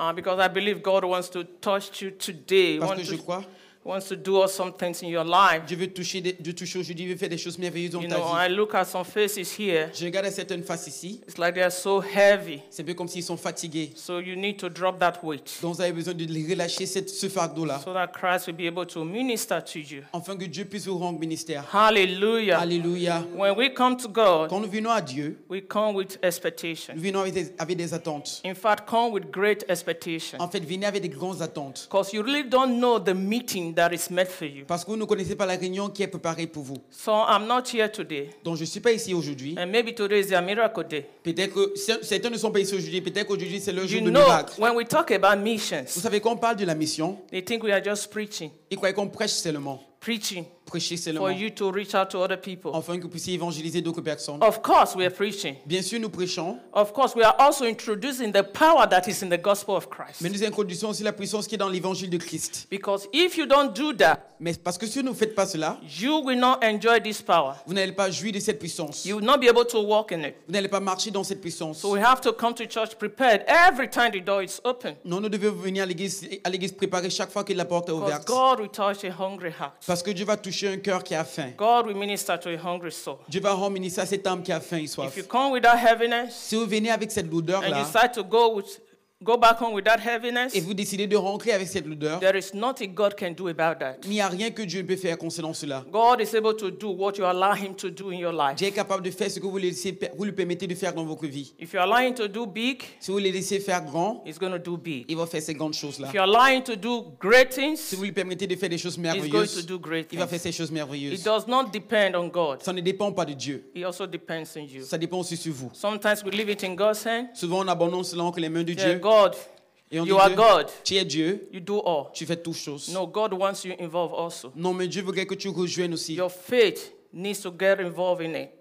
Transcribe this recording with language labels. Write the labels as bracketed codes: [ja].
[en] Because I believe God wants to touch you today. He wants to do awesome things in your life. [fr] Je veux toucher de toucher aujourd'hui, veux faire des choses merveilleuses dans ta vie. [en] You know, I look at some faces here. [fr] Je regarde certaines faces ici. [en] It's like they are so heavy. [fr] C'est un peu comme s'ils sont fatigués. [en] So you need to drop that weight. [fr] Donc vous avez besoin de relâcher ce fardeau là. [en] So that Christ will be able to minister to you. [fr] Afin que Dieu puisse vous rendre ministère. [en] Hallelujah. [fr] Hallelujah. [en] When we come to God, [fr] quand nous venons à Dieu, [en] we come with expectation. [fr] Nous venons avec des attentes. [en] In fact, come with great expectation. [fr] En fait, venez avec des grandes attentes. [en] Because you really don't know the meeting that is meant for you. [fr] Parce que vous ne connaissez pas la réunion qui est préparée pour vous. [en] So I'm not here today. [fr] Donc je suis pas ici aujourd'hui. [en] And maybe today is a miracle day. [fr] Peut-être que certains ne sont pas ici aujourd'hui. Peut-être qu'aujourd'hui c'est le jour de miracle. [en] You know, when we talk about missions, [fr] vous savez qu'on parle de la mission. [en] They think we are just preaching. [fr] Ils croient qu'on prêche seulement. [en] Preaching. [fr] Prêcher seulement. [en] For you to reach out to other people. [fr] Afin que vous puissiez évangéliser d'autres personnes. [en] Of course, we are preaching. [fr] Bien sûr, nous prêchons. [en] Of course, we are also introducing the power that is in the gospel of Christ. [fr] Mais nous introduisons aussi la puissance qui est dans l'évangile de Christ. [en] Because if you don't do that, [fr] mais parce que si vous ne faites pas cela, [en] you will not enjoy this power. [fr] Vous n'allez pas jouir de cette puissance. [en] You will not be able to walk in it. [fr] Vous n'allez pas marcher dans cette puissance. [en] So we have to come to church prepared every time the door is open. [fr] Non, nous devons venir à l'église préparée chaque fois que la porte est ouverte. [en] Because God will touch a hungry heart. [fr] Parce que Dieu va toucher un cœur qui a faim. [en] God will minister to a hungry soul. [fr] Dieu va rendre ministre à cette âme qui a faim et soif. [en] If you come without heaviness, [fr] si vous venez avec cette lourdeur là, [en] and you decide to go back home without heaviness, [fr] et vous décidez de rentrer avec cette lourdeur, [en] there is nothing God can do about that. [fr] Il n'y a rien que Dieu ne peut faire concernant cela. [en] God is able to do what you allow Him to do in your life. [fr] Dieu est capable de faire ce que vous lui permettez de faire dans votre vie. [en] If you allow Him to do big, [fr] si vous le laissez faire grand, [en] He's going to do big. [fr] Il va faire ces grandes choses là. [en] If you allow Him to do great things, [fr] si vous lui permettez de faire des choses merveilleuses, [en] He's going to do great things. [fr] Il va faire ces choses merveilleuses. [en] It does not depend on God. [fr] Ça ne dépend pas de Dieu. [en] It also depends on you. [fr] Ça dépend aussi sur vous. [en] Sometimes we leave it in God's hand. [fr] Souvent on abandonne cela entre les mains de Dieu. [en] God, you are God. [fr] Tu es Dieu. [en] You do all. [fr] Tu fais toutes choses. [en] No, God wants you involved also. [fr] Non, mais Dieu veut que tu rejoignes aussi. [en] Your faith needs to get involved in it.